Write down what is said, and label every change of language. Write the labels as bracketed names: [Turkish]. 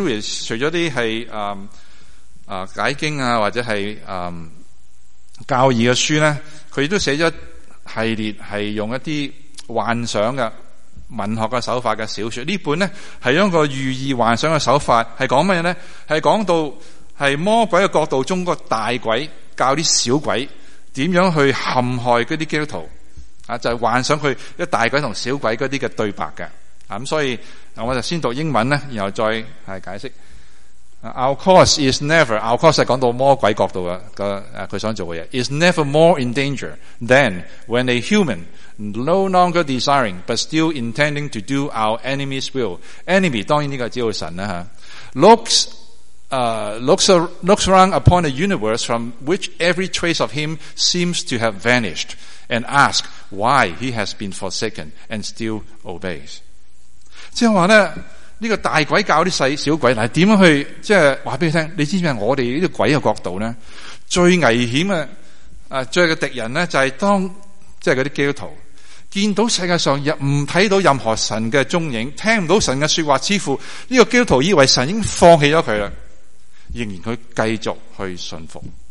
[Cantonese] Lewis 除咗啲系解经啊，或者系教义嘅书咧，佢都写咗系列系用一啲幻想嘅文学嘅手法嘅小说。呢本咧系用一个寓意幻想嘅手法，系讲乜嘢咧？系讲到是魔鬼的角度中的大鬼教啲小鬼怎样去陷害那些基督徒，就是幻想他一大鬼和小鬼那些的对白的。所以我就先读英文，然后再解释。 [English] Our cause is never, our cause [Cantonese] 是讲到魔鬼角度的他想做的事 [English] is never more in danger than when a human, no longer desiring, but still intending to do our enemy's will. Enemy, [Cantonese] 当然这个只有神， [English] looks around upon a universe from which every trace of him seems to have vanished and ask why he has been forsaken and still obeys. [Cantonese] 即是说呢，这个大鬼教啲小鬼，嗱，点样去即系话俾佢听？你知唔知我哋呢啲鬼嘅角度咧，最危险嘅最嘅敌人咧，就系当即系嗰啲基督徒见到世界上唔睇到任何神嘅踪影，听唔到神嘅说话，似乎呢个基督徒以为神已经放弃咗佢啦，仍然佢继续去信服。